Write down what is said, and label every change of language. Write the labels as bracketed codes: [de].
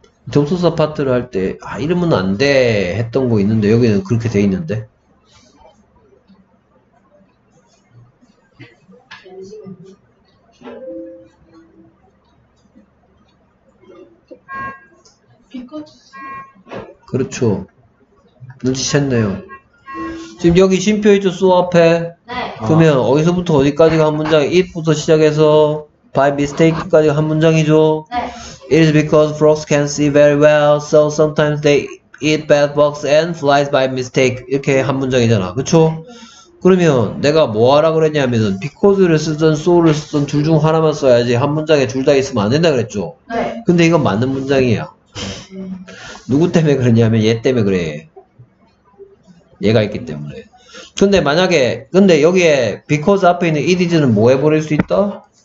[ko] 접속사 파트를 할 때 아 이러면 안 돼 했던 거 있는데 여기는 그렇게 돼 있는데 그렇죠 눈치챘네요 지금 여기 쉼표 있죠? 수 앞에? 네. 그러면 아. 어디서부터 어디까지가 한 문장? It부터 시작해서 By mistake까지가 한 문장이죠? 네. [en] It is because frogs can see very well So sometimes they eat bad bugs and flies by mistake [ko] 이렇게 한 문장이잖아 그쵸? 그러면 내가 뭐하라 그랬냐면 because를 쓰든 so를 쓰든 둘 중 하나만 써야지 한 문장에 둘 다 있으면 안 된다 그랬죠? 네. 근데 이건 맞는 문장이야 누구 때문에 그러냐면 얘 때문에 그래 얘가 있기 때문에 근데 만약에 근데 여기에 because 앞에 있는 it is는 뭐 해버릴 수 있다?